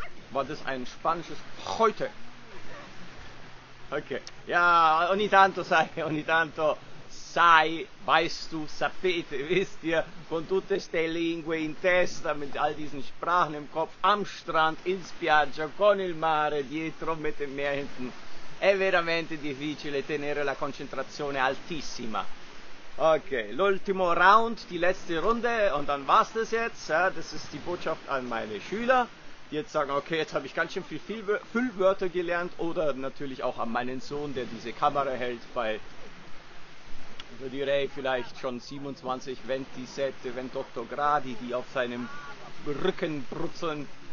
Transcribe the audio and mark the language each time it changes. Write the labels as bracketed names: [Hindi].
[German] War das ein spanisches heute? Okay. [Italian] Ja, ogni tanto sai, ogni tanto sai, [German] weißt du, [Italian] sapete, [German] wisst ihr, [Italian] con tutte ste lingue in testa, [German] mit all diesen Sprachen im Kopf, am Strand, [Italian] in spiaggia, con il mare, dietro, [German] mit dem Meer hinten. [Italian] È veramente difficile tenere la concentrazione altissima. Okay, l'ultimo round, [German] die letzte Runde, [Italian] und dann war's das jetzt. [German] Das ist die Botschaft an meine Schüler. Die jetzt sagen, okay, jetzt habe ich ganz schön viel Füllwörter gelernt. Oder natürlich auch an meinen Sohn, der diese Kamera hält, weil über die Ray vielleicht schon 27 [Italian] Ventisette, Ventotto Gradi, [German] die auf seinem Rücken brutzeln.